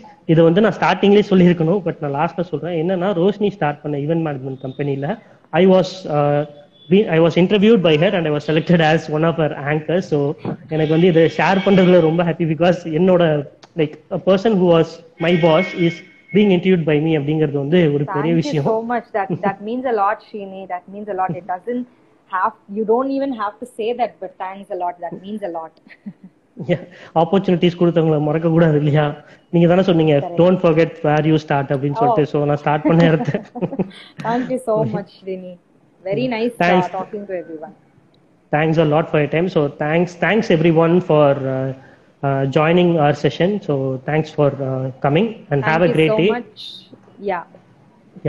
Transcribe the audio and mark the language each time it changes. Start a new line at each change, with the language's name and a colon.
Tamil: இதை வந்து நான் ஸ்டார்டிங்லேயே சொல்லியிருக்கணும், பட் நான் லாஸ்ட்டாக சொல்கிறேன். என்னன்னா, ரோஷினி ஸ்டார்ட் பண்ண ஈவென்ட் மேனேஜ்மெண்ட் கம்பெனியில்
English: I was interviewed by her and I was selected as one of our anchors.
Tamil: So எனக்கு வந்து இதை ஷேர் பண்ணுறதுல ரொம்ப ஹாப்பி, பிகாஸ் என்னோட
English: like a person who was my boss is being interviewed by me
Tamil: அப்படிங்கிறது வந்து ஒரு பெரிய விஷயம்.
English: So much that means a lot, Shini. That means a lot. It doesn't have, you don't even have to say that, but thanks a lot. That means a lot.
Tamil: Opportunities கொடுத்தவங்களை மறக்க கூடாது இல்லையா? நீங்க தானே சொன்னீங்க
English: don't forget where you start
Tamil: அப்படினு சொல்லிட்டு. So நான் start பண்ண இருந்தேன்.
English: Thank you so much Shrini, very nice talking to everyone. Thanks a lot for your time. So thanks everyone for joining our session. So thanks for coming and thank have a great so day. Thank you so much. Yeah.